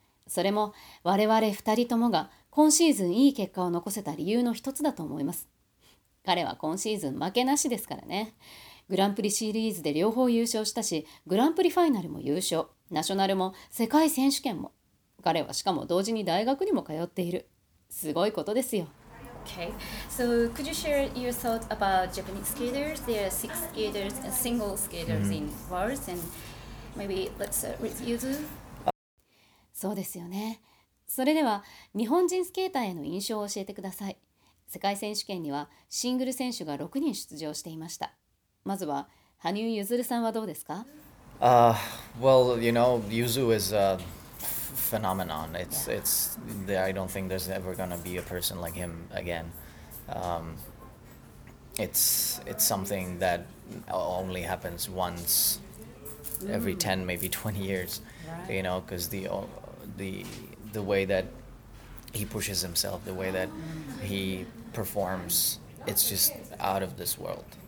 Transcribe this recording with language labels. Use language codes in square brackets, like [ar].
[ja] それも我々二人ともが今シーズンいい結果を残せた理由の一つだと思います。彼は今シーズン負けなしですからね。グランプリシリーズで両方優勝したし、グランプリファイナルも優勝、ナショナルも世界選手権も。彼はしかも同時に大学にも通っている。すごいことですよ。 [en] Okay, so could you share your thought about Japanese skaters? There are six skaters, single skaters in worlds, and maybe let's review them. [ja] そうですよね。それでは日本人スケーターへの印象を教えてください。世界選手権にはシングル選手が6人出場していました。まずは羽生結弦さんはどうですか？ [en] Well, you know, Yuzu is a phenomenon. I don't think there's ever gonna be a person like him again. It's something that only happens once every 10, maybe 20 years. You know, because the way that he pushes himself, the way that he performs, it's just out of this world.